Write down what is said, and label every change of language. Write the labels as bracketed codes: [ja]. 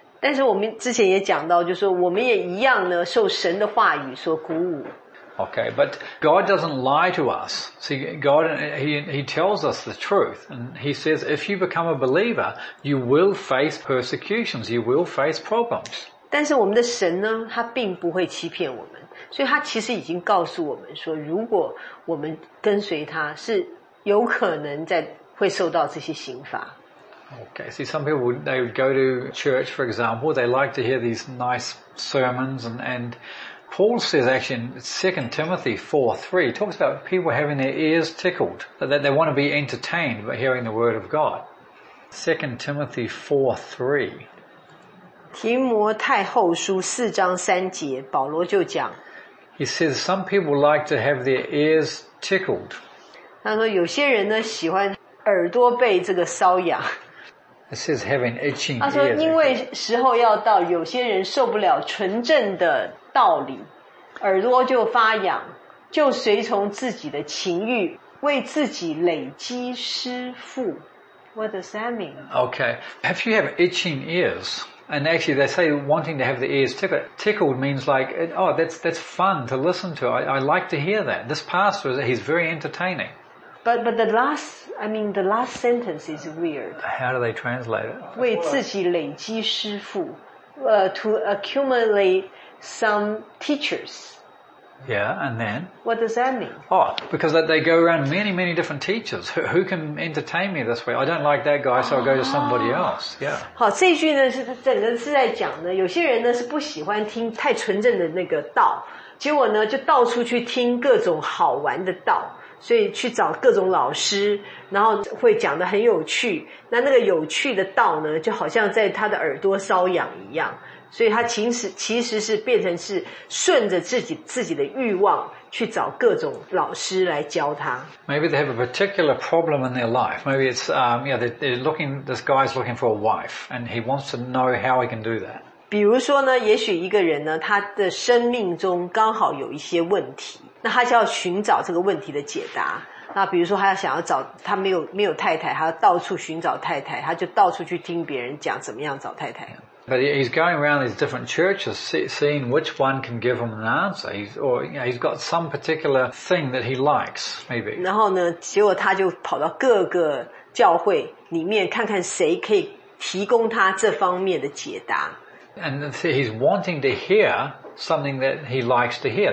[zh] 但是我们之前也讲到，就是说我们也一样呢，受神的话语所鼓舞。 [en] Okay, but God doesn't lie to us. See, God, He tells us the truth. And He says, if you become a believer, you will face persecutions, you will face problems. [zh] 但是我们的神呢，他并不会欺骗我们。所以他其实已经告诉我们说，如果我们跟随他，是有可能在会受到这些刑罚。 [en] Okay, see, some people, they would go to church, for example, they like to hear these nice sermons and Paul says actually in 2 Timothy 4:3, he talks about people having their ears tickled, that they want to be entertained by hearing the word of God. 2 Timothy 4:3. [zh] 提摩太后书四章三节，保罗就讲。 [en] He says some people like to have their ears tickled. [zh] 他说有些人呢喜欢耳朵被这个搔痒。 [en] It says having itching ears. [zh] 他说因为时候要到，有些人受不了纯正的道理，耳朵就发痒，就随从自己的情欲，为自己累积失腹。 [en] What does that mean? Okay, if you have itching ears, and actually they say wanting to have the ears tickled means like, oh, that's fun to listen to. I like to hear that. This pastor, he's very entertaining. But the last sentence is weird. How do they translate it? [zh] 为自己累积失腹， [en] to accumulate. Some teachers. Yeah, and then? What does that mean? Oh, because they go around many, many different teachers. Who can entertain me this way? I don't like that guy, so I'll go to somebody else. Yeah. [zh] 好，这一句呢，是整个是在讲呢，有些人呢是不喜欢听太纯正的那个道，结果呢就到处去听各种好玩的道，所以去找各种老师，然后会讲得很有趣。那个有趣的道呢，就好像在他的耳朵搔痒一样。所以他其实是变成是顺着自己的欲望去找各种老师来教他。 [en] Maybe they have a particular problem in their life. Maybe it's this guy's looking for a wife and he wants to know how he can do that. [zh] 比如说呢，也许一个人呢，他的生命中刚好有一些问题，那他就要寻找这个问题的解答。那比如说他想要找，他没有太太，他到处寻找太太，他就到处去听别人讲怎么样找太太。 [en] But he's going around these different churches, seeing which one can give him an answer. He's got some particular thing that he likes, maybe. [zh] 然后呢，结果他就跑到各个教会里面，看看谁可以提供他这方面的解答。 [en] And he's wanting to hear something that he likes to hear.